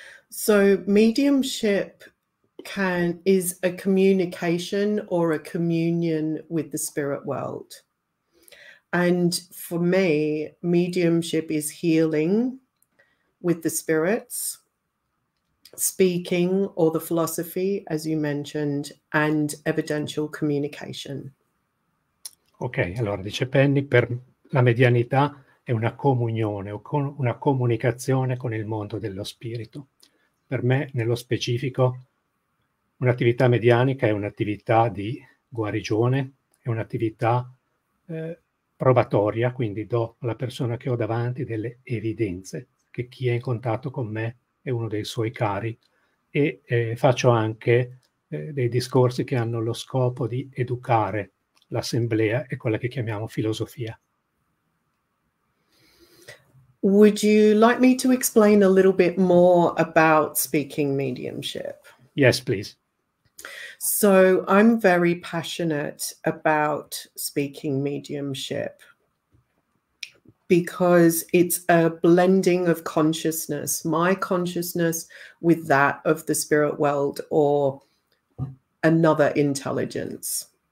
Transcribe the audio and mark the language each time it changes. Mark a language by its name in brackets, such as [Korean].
[English] So mediumship is a communication or a communion with the spirit world. And for me, mediumship is healing with the spirits, speaking or the philosophy, as you mentioned, and evidential communication. [Italian] Ok, allora dice Penny, per la medianità è una comunione o con una comunicazione con il mondo dello spirito. Per me, nello specifico, un'attività medianica è un'attività di guarigione, è un'attività probatoria, quindi do alla persona che ho davanti delle evidenze che chi è in contatto con me è uno dei suoi cari e faccio anche dei discorsi che hanno lo scopo di educare l'assemblea è quella che chiamiamo filosofia. [English] Would you like me to explain a little bit more about speaking mediumship? Yes, please. So I'm very passionate about speaking mediumship because it's a blending of consciousness, my consciousness with that of the spirit world or another intelligence.